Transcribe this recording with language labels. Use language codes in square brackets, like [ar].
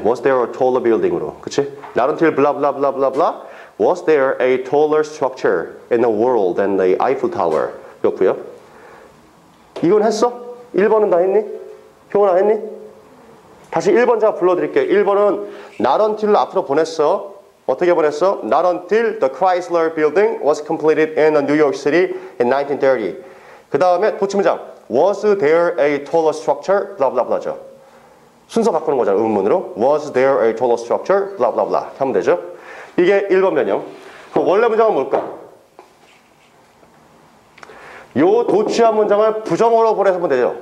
[en] Was there a taller building으로. [ko] 그치? 나런티를 블라블라블라블라블라. [en] Was there a taller structure in the world than the Eiffel Tower? 였고요. [ko] 이건 했어? 1번은 다 했니? 효은아 했니? 다시 1번 제가 불러드릴게요. 1번은 [en] not until [ko] 앞으로 보냈어. 어떻게 보냈어? [en] Not until the Chrysler Building was completed in New York City in 1930. [ko] 그 다음에 도치 문장. [en] Was there a taller structure? blah blah blah죠. [ko] 순서 바꾸는 거잖아, 의문문으로. [en] Was there a taller structure? blah blah [ko] blah 하면 되죠. 이게 1번 변형. 그럼 원래 문장은 뭘까? 요 도치한 문장을 부정어로 보내서면 되죠.